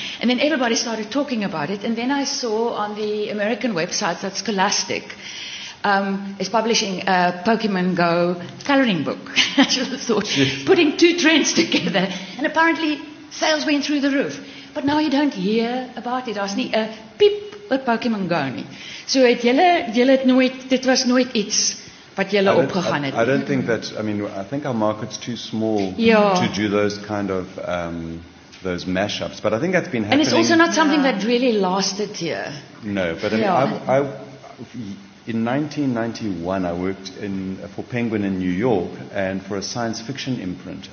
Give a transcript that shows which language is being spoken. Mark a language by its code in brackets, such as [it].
[en] And then everybody started talking about it, and then I saw on the American website that Scholastic is publishing a Pokemon Go coloring book. I just thought, yes. Putting two trends together, and apparently sales went through the roof. But now you don't hear about it. [af] Daar's nie 'n piep oor Pokemon Go nie. So het julle het nooit, dit was nooit iets wat julle opgegaan het. [en] I don't think that, I mean, I think our market's too small to do those kind of those mashups, but I think that's been happening. And it's also not something that really lasted here. No, but I mean, in 1991, I worked for Penguin in New York and for a science fiction imprint.